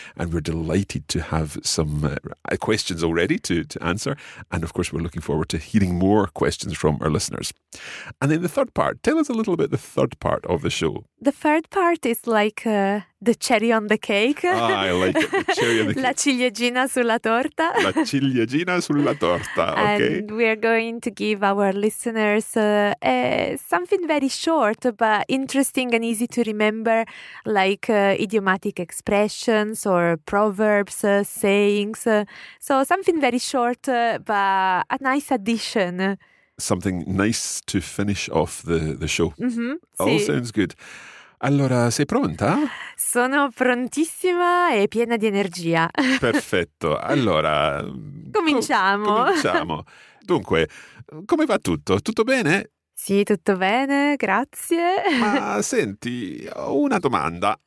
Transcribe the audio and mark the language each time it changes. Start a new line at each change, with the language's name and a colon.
English: And we're delighted to have some questions already to answer. And of course, we're looking forward to hearing more questions from our listeners. And then the third part. Tell us a little about the third part of the show. The third part is like the cherry on the cake. Ah, I like it. The cherry on the cake.
Italian: La ciliegina sulla torta. La ciliegina sulla torta.
English: Okay. And we are going to give our listeners something very short but interesting and easy to remember, like idiomatic expressions or proverbs, sayings. So something very short but a nice addition. Something nice to finish off the show. Mm-hmm. All
Italian: sì.
English: Sounds good.
Italian: Allora, sei pronta? Sono prontissima e piena di energia. Perfetto. Allora, cominciamo. Cominciamo. Dunque, come va tutto? Tutto bene? Sì, tutto bene, grazie. Ma senti, ho una domanda.